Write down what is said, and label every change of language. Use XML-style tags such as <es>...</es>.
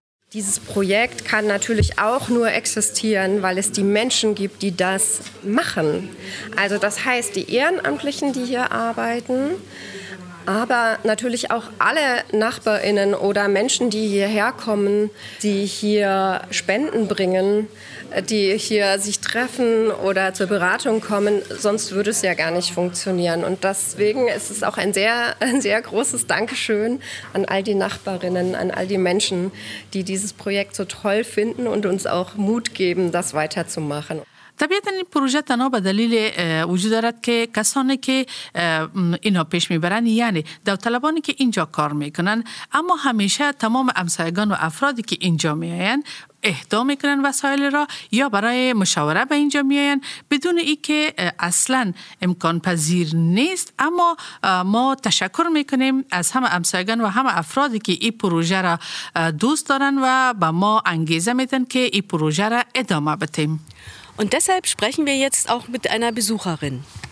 <de>Dieses Projekt kann natürlich auch nur existieren, weil es die Menschen gibt, die das machen. Also das heißt, die Ehrenamtlichen, die hier arbeiten, aber natürlich auch alle NachbarInnen oder Menschen, die hierher kommen, die hier Spenden bringen, die hier sich treffen oder zur Beratung kommen, sonst würde es ja gar nicht funktionieren. Und deswegen ist es auch ein sehr großes Dankeschön an all die NachbarInnen, an all die Menschen, die dieses Projekt so toll finden und uns auch Mut geben, das weiterzumachen.</de> <fa>طبیعتاً این پروژه تنها به دلیل وجود دارد که کسانی که اینا پیش میبرند، یعنی داوطلبانی که اینجا کار میکنند، اما همیشه تمام همسایگان و افرادی که اینجا میآیند اهدا میکنند وسایل را یا برای مشاوره به اینجا میآیند، بدون ای که اصلا امکان پذیر نیست. اما ما تشکر میکنیم از همه همسایگان و همه افرادی که این پروژه را دوست دارند و به ما انگیزه میدن که این پروژه را ادامه بدیم.</fa> <de>Und deshalb sprechen wir jetzt auch mit einer Besucherin.</de>